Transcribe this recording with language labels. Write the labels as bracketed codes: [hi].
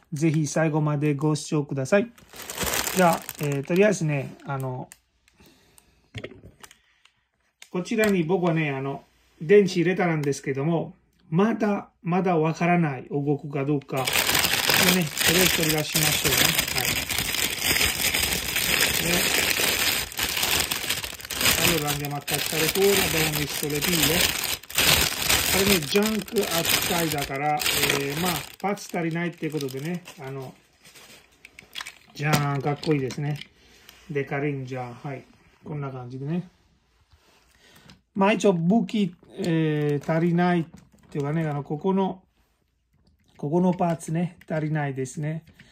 [ja] ぜひ最後までご視聴ください。じゃあ、とりあえずね、こちらに僕はね、電池入れたんですけども、まだわからない、動くかどうか。でね、それを取り出しましょうね。はい。 [it] で、allora andiamo a cacciare fuori, abbiamo messo le pile。 [ja] これね、ジャンク扱いだから、まあ、パーツ足りないっていうことでね、じゃーん、かっこいいですね。デカレンジャー。はい。こんな感じでね。まあ一応武器、足りないっていうかね、ここのパーツね、足りないですね。